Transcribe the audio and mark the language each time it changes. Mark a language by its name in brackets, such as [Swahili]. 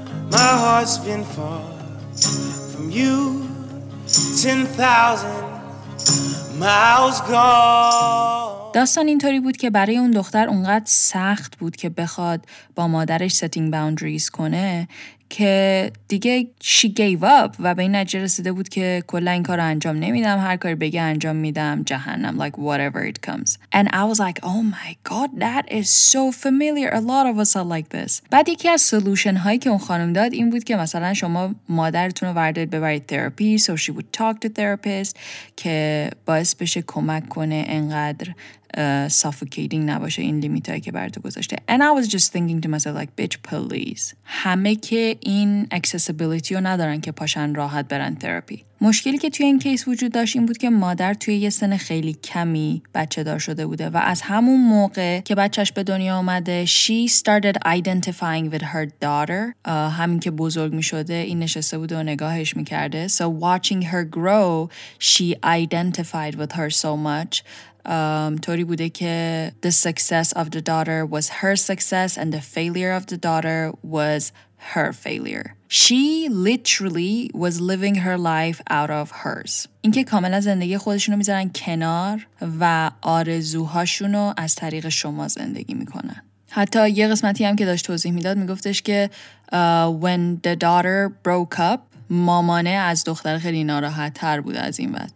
[English] My heart's been far from you 10,000 miles gone. [Persian] داستان اینطوری بود که برای اون دختر اونقدر سخت بود که بخواد با مادرش setting boundaries کنه که دیگه [English] she gave up [Persian] و به این نتیجه رسیده بود که کلا این کارو انجام نمیدم، هر کاری بگه انجام میدم، جهنم، [English] like whatever it comes. And I was like, oh my god, that is so familiar. A lot of us are like this. [Persian] بعد یکی از سلوشن هایی که اون خانم داد این بود که مثلا شما مادرتون رو وردید ببرید تراپی، [English] so she would talk to therapist [Persian] که باعث بشه کمک کنه انقدر suffocating نباشه این لیمیتایی که برات گذاشته. [English] And I was just thinking to myself like bitch please. [Persian] همه که این accessibility رو ندارن که پاشن راحت برن تراپی. مشکلی که توی این کیس وجود داشت این بود که مادر توی یه سن خیلی کمی بچه دار شده بوده و از همون موقع که بچهش به دنیا اومده [English] she started identifying with her daughter. [Persian] همین که بزرگ می شده این نشسته بوده و نگاهش می کرده. [English] So watching her grow she identified with her so much. [Persian] طوری بوده که [English] the success of the daughter was her success and the failure of the daughter was her failure. She literally was living her life out of hers. [Persian] این که کاملا زندگی خودشونو میذارن کنار و آرزوهاشونو از طریق شما زندگی میکنن. حتی یه قسمتی هم که داشت توضیح میداد میگفتش که [English] when the daughter broke up [Persian] مامانه از دختر خیلی ناراحت تر بود از این وقت.